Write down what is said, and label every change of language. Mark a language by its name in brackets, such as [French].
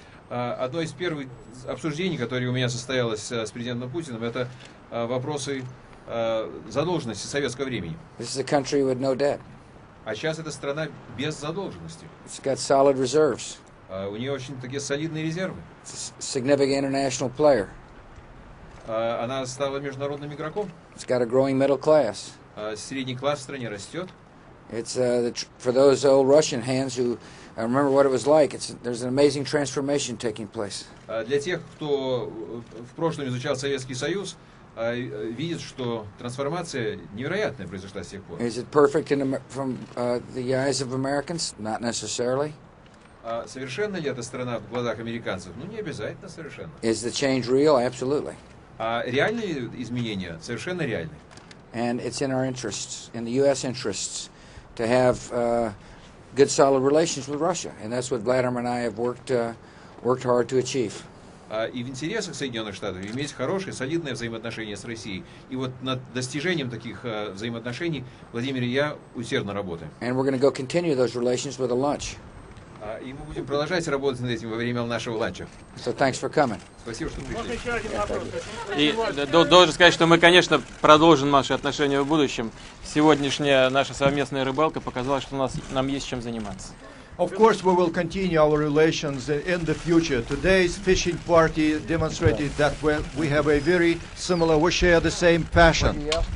[Russian] Одно из первых обсуждений, которое у меня состоялось с президентом Путиным, это вопросы задолженности советского времени. [English] This is a country with no debt. [Russian] А сейчас это страна без задолженности. [English] It's got solid reserves. [Russian] У нее очень такие солидные резервы. [English] Significant international player. [Russian] Она стала международным игроком. [English] It's got a growing middle class. [Russian] Средний класс в стране растет. [English] It's for those old Russian hands who remember what it was like. There's an amazing transformation taking place. [Russian] Для тех, кто в прошлом изучал Советский Союз, видит, что трансформация невероятная произошла с тех пор. [English] Is it perfect in the eyes of Americans? Not necessarily. [Russian] Совершенно ли эта страна в глазах американцев? Ну, не обязательно совершенно. [English] Is the change real? Absolutely. [Russian] Реальные изменения? Совершенно реальны. [English] And it's in our interests, in the U.S. interests. To have good, solid relations with Russia, and that's what Vladimir and I have worked hard to achieve. [Russian] И в интересах Соединенных Штатов иметь хорошие, солидные взаимоотношения с Россией. И вот над достижением таких взаимоотношений Владимир и я усердно работаем. [English] And we're going to go continue those relations with a lunch. [Russian] и мы будем продолжать работать над этим во время нашего ланча. [English] So thanks for coming. [Russian] Спасибо, что пришли. Можно еще один вопрос? И должен сказать, что мы, конечно, продолжим наши отношения в будущем. Сегодняшняя наша совместная рыбалка показала, что нам есть чем заниматься. [English] Of course, we will continue our relations in the future. Today's fishing party demonstrated that we have a very similar, we share the same passion.